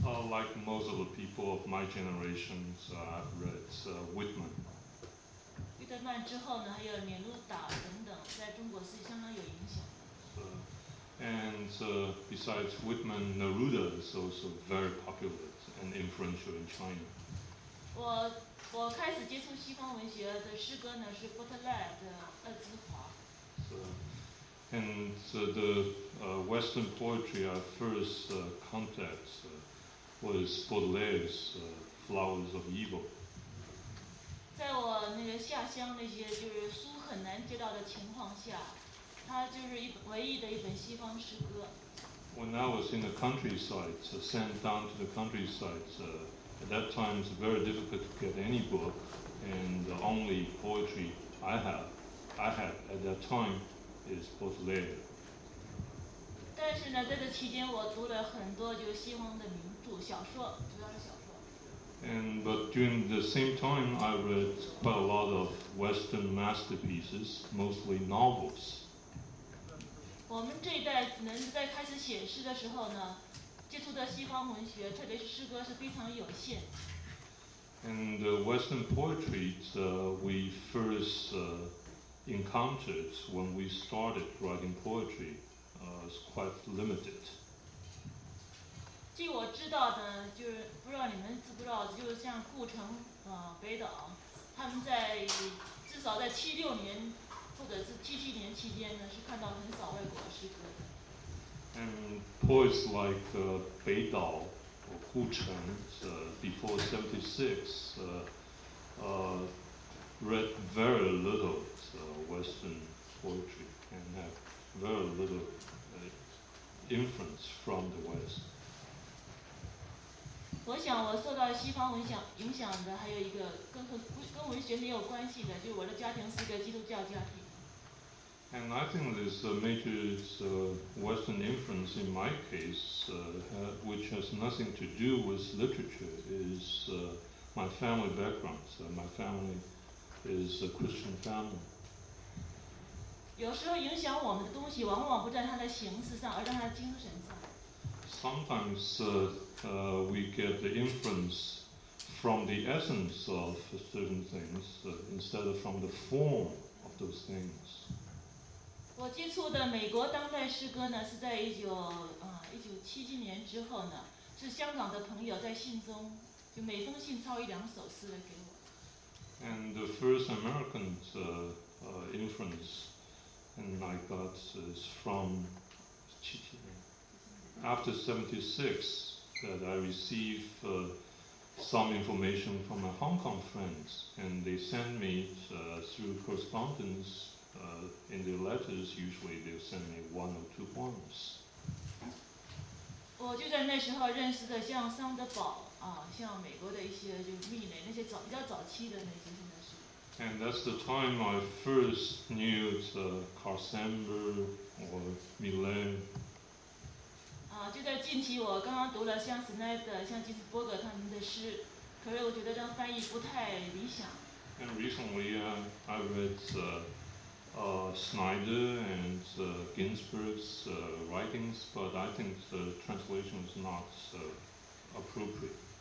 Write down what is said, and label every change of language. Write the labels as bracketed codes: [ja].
[en] Like most of the people of my generation, I've read Whitman. [zh] Whitman 之后呢，还有聂鲁达等等，在中国是相当有影响的。 [en] And besides Whitman, Neruda is also very popular and influential in China. [zh] 我开始接触西方文学的诗歌呢，是波特莱的《二之华》。 [en] And the Western poetry I first contacted was Baudelaire's Flowers of Evil. [zh] 在我那个下乡那些就是书很难接到的情况下，它就是唯一的一本西方诗歌。 [en] When I was in the countryside, sent down to the countryside, at that time it's very difficult to get any book, and the only poetry I had at that time. Is Baudelaire. [zh] 但是呢，在这期间，我读了很多就西方的名著、小说，主要是小说。 [en] And but during the same time, I read quite a lot of Western masterpieces, mostly novels. [zh] 我们这一代能在开始写诗的时候呢，接触的西方文学，特别是诗歌，是非常有限。 [en] And Western poetry, we first. Encountered when we started writing poetry is quite limited. [zh] 据我知道的，就是不知道你们知不知道，就是像顾城、北岛，他们在至少在76年或者是77年期间呢，是看到很少外国诗歌的。 [en] And poets like北岛or 顾城 before 76, read very little. Western poetry and have very little influence from the West. [zh] 我想我受到西方影响的还有一个跟文学没有关系的，就是我的家庭是一个基督教家庭。 [en] And I think this major Western influence in my case, which has nothing to do with literature, is my family background. So my family is a Christian family. [zh] 有时候影响我们的东西往往不在它的形式上，而在它的精神上。 [en] Sometimes we get the influence from the essence of certain things instead of from the form of those things. [zh] 我接触的美国当代诗歌呢，是在1977年之后呢，是香港的朋友在信中就每封信抄一两首诗来给我。 [en] And the first American influence. And I got is from after 76 that I received some information from my Hong Kong friends, and they send me through correspondence. In their letters, usually they'll send me one or two poems. [zh] 我就在那时候认识的像桑德堡，像美国的一些就密雷那些早比较早期的那些现在是。 [en] And that's the time I first knew the Carl Sandburg or Millet. [zh] 就在近期我刚刚读了像斯奈德、像金斯伯格他们的诗，可是我觉得这样翻译不太理想。 [en] And recently I read Snyder and Ginsberg's writings, but I think the translation is not appropriate.